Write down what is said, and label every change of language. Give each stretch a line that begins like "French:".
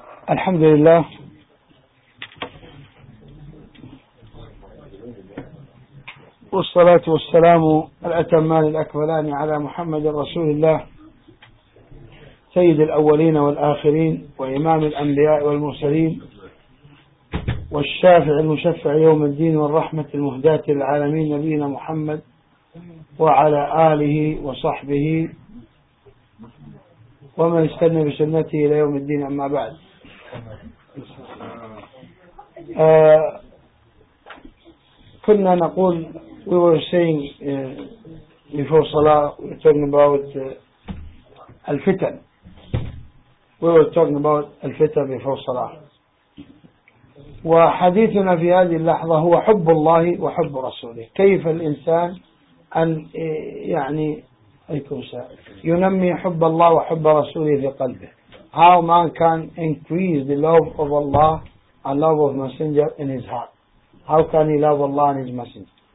Arabic: الحمد لله والصلاة والسلام الأتمان الأكملان على محمد رسول الله سيد الأولين والآخرين وإمام الأنبياء والمرسلين والشافع المشفع يوم الدين والرحمة المهداة للعالمين نبينا محمد وعلى آله وصحبه ومن استنى بسنته إلى يوم الدين. أما بعد، كنا نقول
English: we were saying before Salah we were talking about الفتن. We were talking about الفتن before Salah.
Arabic: وحديثنا في هذه اللحظة هو حب الله وحب رسوله، كيف الإنسان أن يعني ينمي حب الله وحب رسوله في قلبه.
English: How man can increase the love of Allah and love of Messenger in his heart. How can he love Allah and his Messenger?